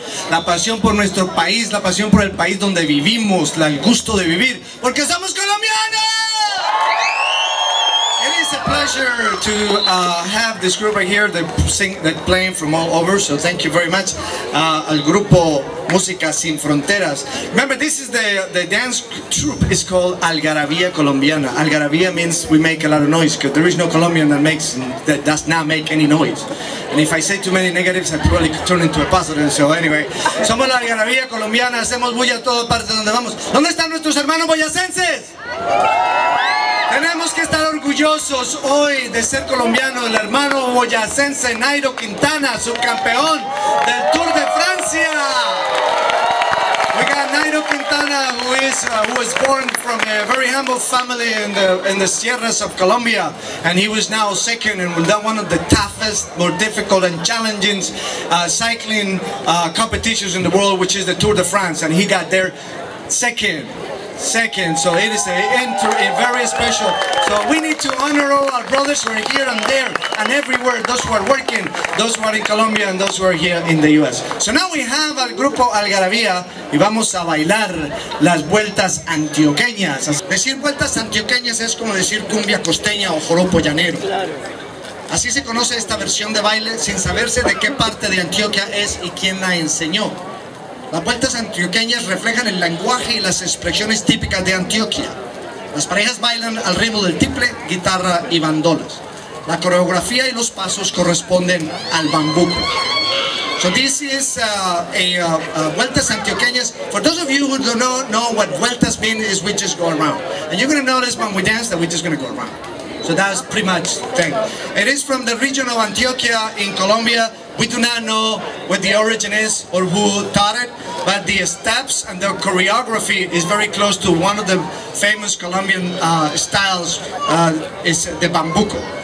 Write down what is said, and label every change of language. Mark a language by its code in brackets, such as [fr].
[es] La pasión por nuestro país, la pasión por el país donde vivimos, el gusto de vivir, porque somos colombianos. ¡Sí! [en] it's a pleasure to have this group right here that playing from all over, so thank you very much. El grupo Música Sin Fronteras. Remember, this is the dance troupe. It's called Algarabía Colombiana. Algarabía means we make a lot of noise, because there is no Colombian that does not make any noise. And if I say too many negatives, I probably could turn into a positive. [es] So anyway, somos la Algarabía Colombiana. Hacemos bulla a todas partes donde vamos. ¿Dónde están nuestros hermanos boyacenses? Tenemos que estar orgullosos hoy de ser colombianos. El hermano boyacense Nairo Quintana, subcampeón del Tour de Francia. [en] We got Nairo Quintana, who was born from a very humble family in the Sierras of Colombia, and he was now second in one of the toughest, more difficult and challenging cycling competitions in the world, which is the Tour de France, and he got there second. Second, so it is a very special. So we need to honor all our brothers who are here and there and everywhere, those who are working, those who are in Colombia and those who are here in the US. [es] So now we have al grupo Algarabía y vamos a bailar las vueltas antioqueñas. Decir vueltas antioqueñas es como decir cumbia costeña o joropo llanero. Así se conoce esta versión de baile sin saberse de qué parte de Antioquia es y quién la enseñó. Las vueltas antioqueñas reflejan el lenguaje y las expresiones típicas de Antioquia. Las parejas bailan al ritmo del tiple, guitarra y bandolas. La coreografía y los pasos corresponden al bambuco. [en] So this is vueltas antioqueñas. For those of you who do not know what vueltas mean, is we just go around. And you're going to notice when we dance that we're just going to go around. So that's pretty much the thing. It is from the region of Antioquia in Colombia. We do not know what the origin is or who taught it, but the steps and the choreography is very close to one of the famous Colombian styles, is the bambuco.